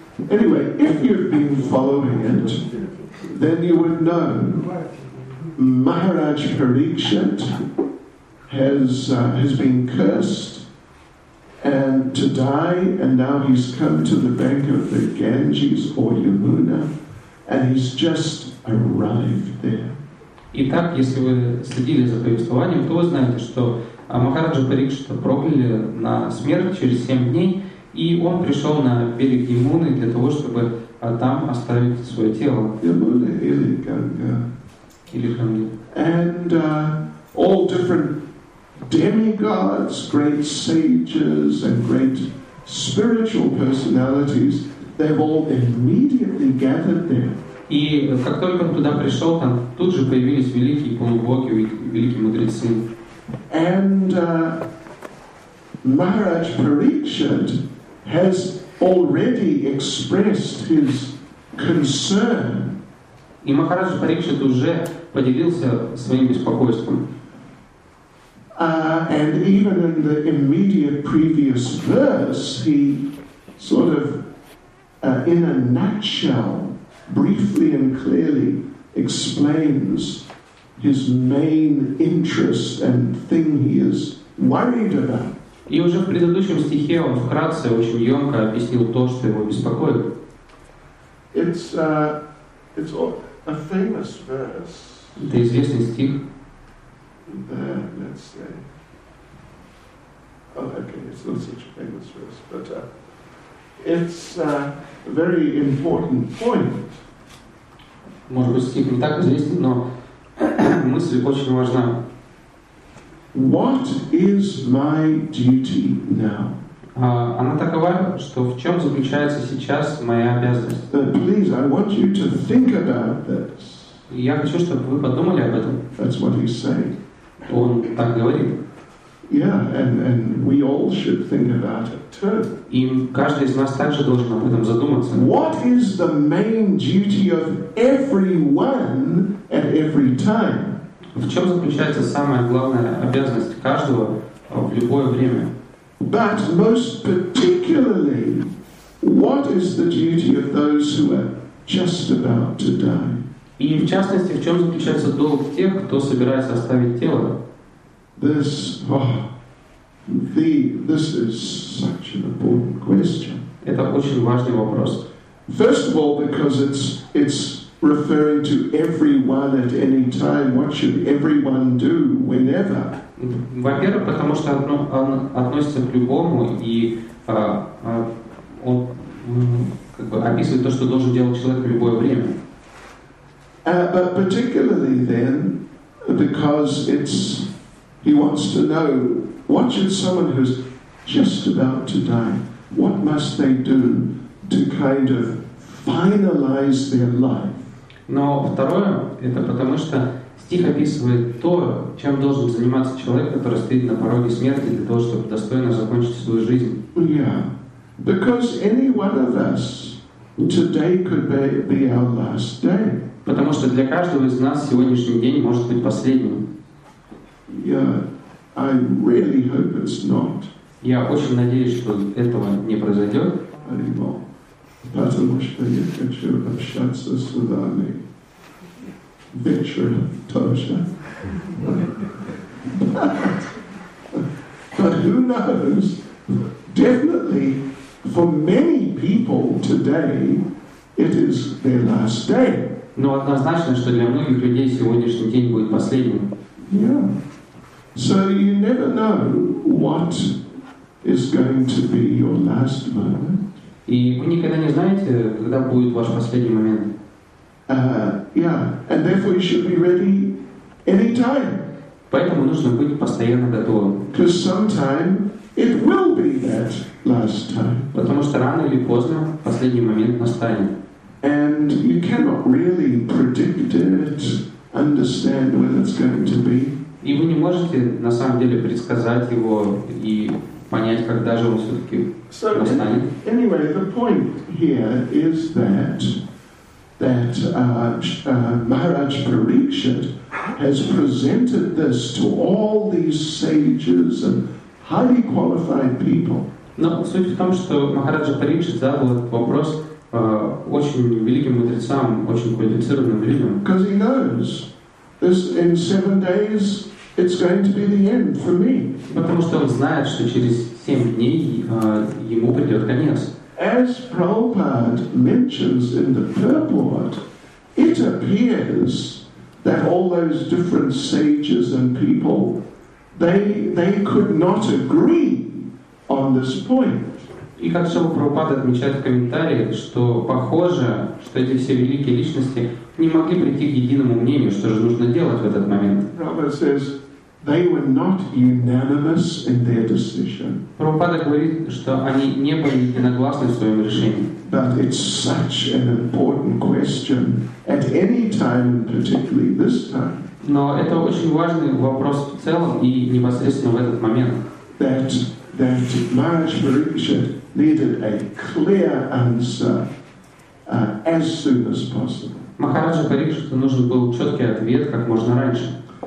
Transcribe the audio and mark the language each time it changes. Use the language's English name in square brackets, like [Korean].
[English] Anyway, if you've been following it, then you would know Maharaj Parikshit has been cursed and to die, and now he's come to the bank of the Ganges or Yamuna, and he's just arrived there. [Russian] Итак, если вы следили за повествованием, то вы знаете, что а Махараджа Парикшита прокляли на смерть через 7 дней, и он пришел на берег Ямуны для того, чтобы там оставить свое тело. Ямуна или Ганга. Или Ганга. [English] And all different demigods, great sages and great spiritual personalities, they've all immediately gathered there. [Russian] И как только он туда пришел, там тут же появились великие полубоги, великие мудрецы. [English] And Maharaj Parikshit has already expressed his concern. [Russian] И Махарадж Парикшит уже поделился своим беспокойством. [English] And even in the immediate previous verse, he sort of, in a nutshell, briefly and clearly explains his main interest and thing he is worried about. [Russian] И уже в предыдущем стихе он вкратце, очень емко объяснил то, что его беспокоит. [English] It's a famous verse. [Russian] Это известный стих. [English] Let's say. Oh, okay, it's not such a famous verse, but it's a very important point. [Russian] Может быть, стих не так известен, но мысль очень важна. [English] What is my duty now? [Russian] Она такова, что в чем заключается сейчас моя обязанность? [English] Please, I want you to think about this. [Russian] Я хочу, чтобы вы подумали об этом. [English] That's what he's saying. [Russian] Он так говорит. [English] Yeah, and we all should think about it too. [Russian] И каждый из нас также должен об этом задуматься. [English] What is the main duty of everyone at every time? [Russian] В чем заключается самая главная обязанность каждого в любое время? [English] But most particularly, what is the duty of those who are just about to die? [Russian] И в частности, в чем заключается долг тех, кто собирается оставить тело? [English] This is such an important question. [Russian] Это очень важный вопрос. [English] First of all, because it's referring to everyone at any time, what should everyone do whenever? [Russian] Во-первых, потому что он относится к любому, и он как бы описывает то, что должен делать человек в любое время. [English] But particularly then, because he wants to know, what should someone who's just about to die, what must they do to kind of finalize their life? [Russian] Но второе, это потому что стих описывает то, чем должен заниматься человек, который стоит на пороге смерти для того, чтобы достойно закончить свою жизнь. [English] Yeah, because any one of us today could be our last day. [Russian] Потому что для каждого из нас сегодняшний день может быть последним. [English] Yeah, I really hope it's not. [Russian] Я очень надеюсь, что этого не произойдет. Потому что я хочу общаться с вами вечером тоже. [English] But who knows? Definitely, for many people today, it is their last day. [Russian] Но однозначно, что для многих людей сегодняшний день будет последним. [English] Yeah. So you never know what is going to be your last moment. [Russian] И вы никогда не знаете, когда будет ваш последний момент. [English] And therefore you should be ready anytime. [Russian] Поэтому нужно быть постоянно готовым. [English] Because sometime it will be that last time. [Russian] Потому что рано или поздно последний момент настанет. [English] And you cannot really predict it, understand when it's going to be. [Russian] И вы не можете на самом деле предсказать его и понять, когда же он все-таки настанет. [English] So, anyway, the point here is that Maharaj Parikshit has presented this to all these sages and highly qualified people. [Russian] Но суть в том, что Махараджа Парикшит задал этот вопрос очень великим мудрецам, очень квалифицированным людям. [English] Because he knows this in 7 days it's going to be the end for me. [Russian] Потому что он знает, что через 7 дней ему придет конец. [English] As Prabhupada mentions in the purport, it appears that all those different sages and people, they could not agree on this point. [Russian] И как сам Прабхупада отмечает в комментариях, что похоже, что эти все великие личности не могли прийти к единому мнению, что же нужно делать в этот момент. [English] They were not unanimous in their decision. [Russian] Прабхупада говорит, что они не были единогласны в своем решении. [English] But it's such an important question at any time, particularly this time. [Russian] Но это очень важный вопрос в целом и непосредственно в этот момент. [English] That Maharaj Parikshit needed a clear answer as soon as possible. [Russian] Махараджа Парикшиту нужен был четкий ответ как можно раньше.